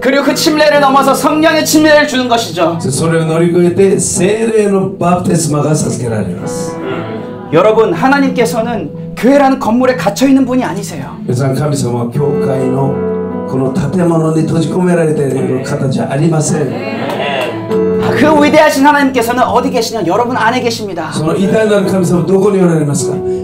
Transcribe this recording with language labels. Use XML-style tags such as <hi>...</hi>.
<ko>그리고 그 침례를 넘어서 성령의 침례를 주는 것이죠.</ko> <ja>それを乗り越えて精霊のバプテスマが授けられます.</ja> <ko>여러분 하나님께서는 교회라는 건물에 갇혀 있는 분이 아니세요. 하나님은 교회의</ko> <ja>この建物に閉じ込められている方じゃありません.</ja> <ko>그 위대하신 하나님께서는 어디 계시냐? 여러분 안에 계십니다.</ko> <ja>その偉大なる神様どこにおられますか?</ja>